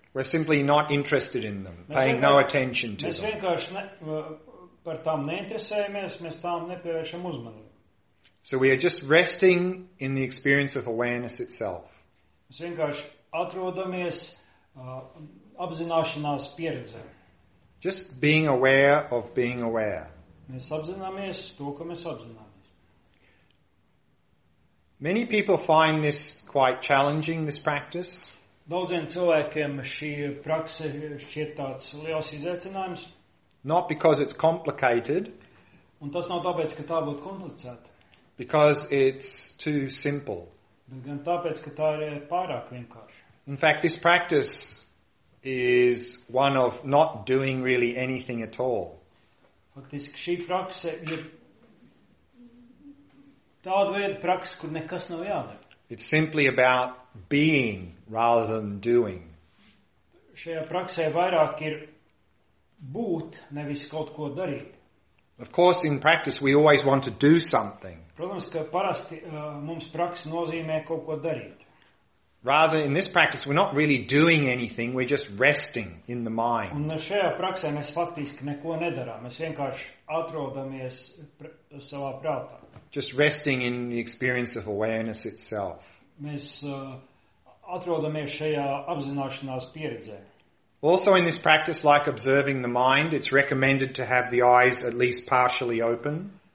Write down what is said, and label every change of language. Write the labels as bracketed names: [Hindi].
[English] We're simply not interested in them, paying no attention to them. [Latvian] Mēs vienkārši par tām neinteresējamies, mēs tām nepievēršam uzmanību. [English] So we are just resting in the experience of awareness itself. [Latvian] Mēs vienkārši atrodamies apzināšanās pieredzē. [English] Just being aware of being aware. [Latvian] Mēs apzināmies to, ka mēs apzināmies. [English] Many people find this quite challenging, this practice. [Latvian] Daudziem cilvēkiem šī prakse šķiet tāds liels izaicinājums. [English] Not because it's complicated. [Latvian] Un tas nav tāpēc, ka tā būtu komplicēta. [English] Because it's too simple. [Latvian] Bet gan tāpēc, ka tā ir pārāk vienkārša. [English] In fact, this practice is one of not doing really anything at all. [Latvian] Faktiski šī prakse ir tāda veida prakse, kur nekas nav jādara. [English] It's simply about being rather than doing. [Latvian] Šajā praksē vairāk ir būt, nevis kaut ko darīt. [English] Of course, in practice, we always want to do something. [Latvian] Protams, ka parasti mums praksa nozīmē kaut ko darīt. [English] Rather, in this practice, we're not really doing anything, we're just resting in the mind. [Latvian] Un šajā praksē mēs faktiski neko nedarām, mēs vienkārši atrodamies savā prātā. [English] Just resting in the experience of awareness itself. [Latvian] Mēs atrodamies šajā apzināšanās pieredzē. [English] Also in this practice, like observing the mind, it's recommended to have the eyes at least partially open.